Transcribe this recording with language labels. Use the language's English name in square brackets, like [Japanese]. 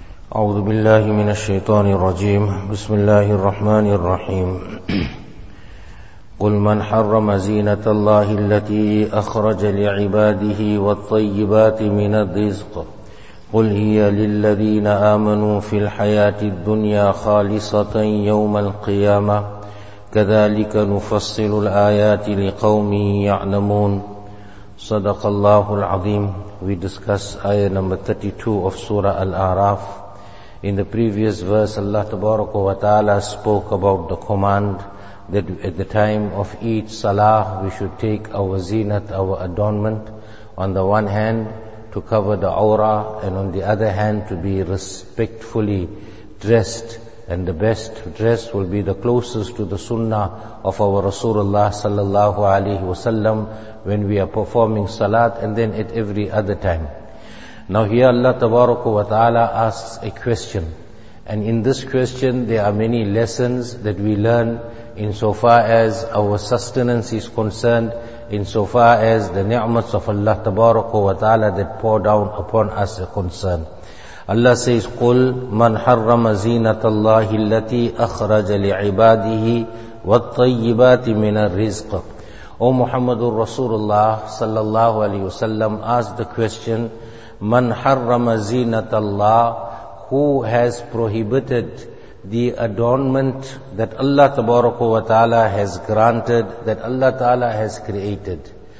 [Arabic] أعوذ بالله من الشيطان الرجيم بسم الله الرحمن الرحيم قل من حرم زينة الله التي أخرج لعباده والطيبات من الرزق قل هي للذين آمنوا في الحياة الدنيا خالصة يوم القيامة كذلك نفصل الآيات لقوم يعلمون صدق الله العظيم. [English] We discuss ayah number 32 of Surah Al-A'raf. In the previous verse, Allah Tabaraka wa Ta'ala spoke about the command that at the time of each salah, we should take our zinat, our adornment, on the one hand to cover the awrah, and on the other hand to be respectfully dressed. And the best dress will be the closest to the sunnah of our Rasulullah sallallahu alaihi wasallam when we are performing salat, and then at every other time. Now here Allah Tabaraka wa Ta'ala asks a question, and in this question there are many lessons that we learn insofar as our sustenance is concerned, insofar as the ni'mats of Allah Tabaraka wa Ta'ala that pour down upon us are concerned. Allah says, [Arabic] قُلْ مَنْ حَرَّمَ زِينَةَ اللَّهِ الَّتِي أَخْرَجَ لِعِبَادِهِ وَالطَّيِّبَاتِ مِنَ الرِّزْقِ. [English] O Muhammadur Rasulullah sallallahu alayhi wa sallam asked the question, [Arabic] مَنْ حَرَّمَ زِينَةَ اللَّهِ, [English] who has prohibited the adornment that Allah tabaraka wa ta'ala has granted, that Allah ta'ala has created,